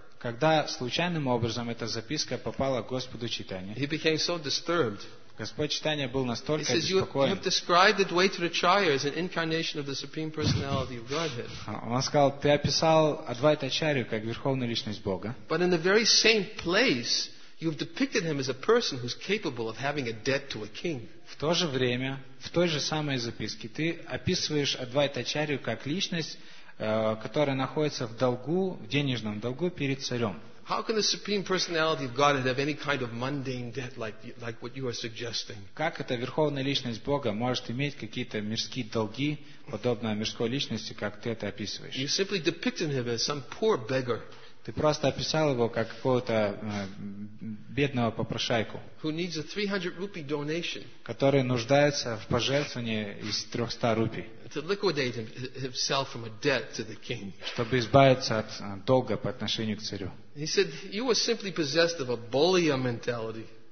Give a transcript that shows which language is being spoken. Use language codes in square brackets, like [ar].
[ru] Когда случайным образом эта записка попала к Господу Чайтанье, [en] he became so disturbed. [ru] Господь Чайтанья был настолько [en] he says, [ru] обеспокоен. [en] You have described the way to the Chaya as an incarnation of the Supreme Personality of Godhead. [ru] Он сказал, ты описал Адвайта Ачарью как Верховную Личность Бога. [en] But in the very same place, You've depicted him as a person who's capable of having a debt to a king. [ru] В то же время, в той же самой записке, ты описываешь Адвайта Ачарью как личность, которая находится в долгу, в денежном долгу перед царем. [en] How can the supreme personality of God have any kind of mundane debt like what you are suggesting? [ru] Как эта верховная личность Бога может иметь какие-то мирские долги, подобно мирской личности, как ты это описываешь? [en] You simply depicted him as some poor beggar. [ru] Ты просто описал его как какого-то бедного попрошайку, [en] who needs a 300 rupee donation, [ru] который нуждается в пожертвовании из 300 рупий, [en] to liquidate himself from a debt to the king. [ru] Чтобы избавиться от долга по отношению к царю. [en] He said, you were simply possessed of a bolia mentality.